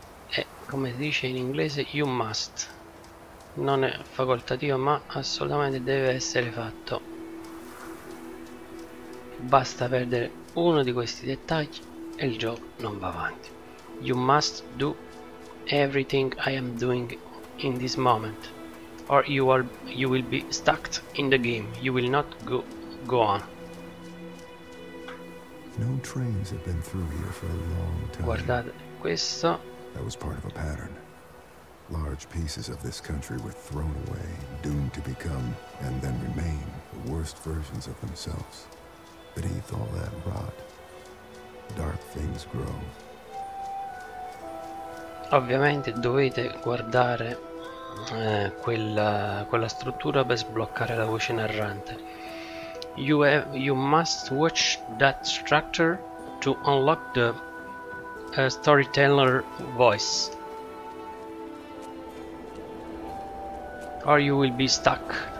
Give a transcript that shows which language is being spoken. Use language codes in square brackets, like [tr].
[it] E come si dice in inglese, [en] you must. [it] Non è facoltativo, ma assolutamente deve essere fatto. Basta perdere uno di questi dettagli e il gioco non va avanti. [en] You must do everything I am doing in this moment, or you will be stuck in the game. You will not go on. No trains have been through here for a long time. [it] Guardate questo. [en] That was part of a pattern. Large pieces of this country were thrown away, doomed to become and then remain the worst versions of themselves. Beneath all that rot, dark things grow. [it] Ovviamente dovete guardare quella struttura per sbloccare la voce narrante. [en] You must watch that structure to unlock the storyteller voice, or you will be stuck.